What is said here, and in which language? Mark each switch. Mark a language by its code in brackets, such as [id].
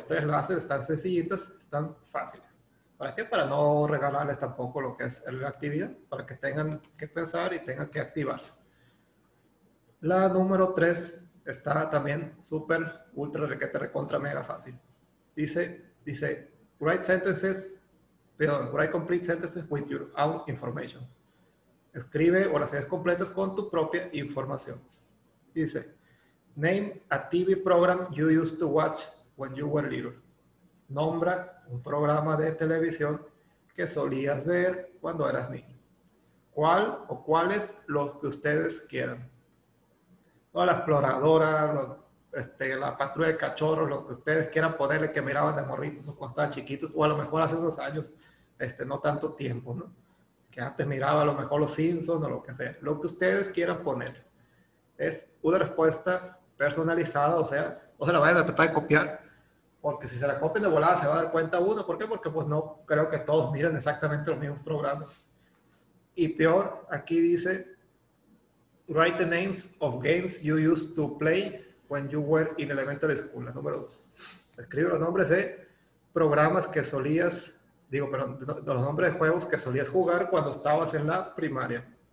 [es] Ustedes lo hacen, están sencillitas, están fáciles. ¿Para qué? Para no regalarles tampoco lo que es la actividad, para que tengan que pensar y tengan que activarse. La número 3 está también súper, ultra, requete, recontra, mega fácil. Dice, [en] write sentences, [es] perdón, [en] write complete sentences with your own information. [es] Escribe oraciones completas con tu propia información. Dice, [en] name a TV program you used to watch when you were little. [es] Nombra un programa de televisión que solías ver cuando eras niño. ¿Cuál o cuáles los que ustedes quieran? O la exploradora, la patrulla de cachorros, lo que ustedes quieran ponerle, que miraban de morritos o cuando estaban chiquitos, o a lo mejor hace unos años, no tanto tiempo, ¿no? Que antes miraba a lo mejor los Simpsons o lo que sea. Lo que ustedes quieran poner. Es una respuesta personalizada, o sea, no se la vayan a tratar de copiar, porque si se la copian de volada se va a dar cuenta uno. ¿Por qué? Porque pues no creo que todos miren exactamente los mismos programas. Y peor, aquí dice, [en] write the names of games you used to play when you were in elementary school, [es] la número 2. Escribe los nombres de programas que solías, los nombres de juegos que solías jugar cuando estabas en la primaria.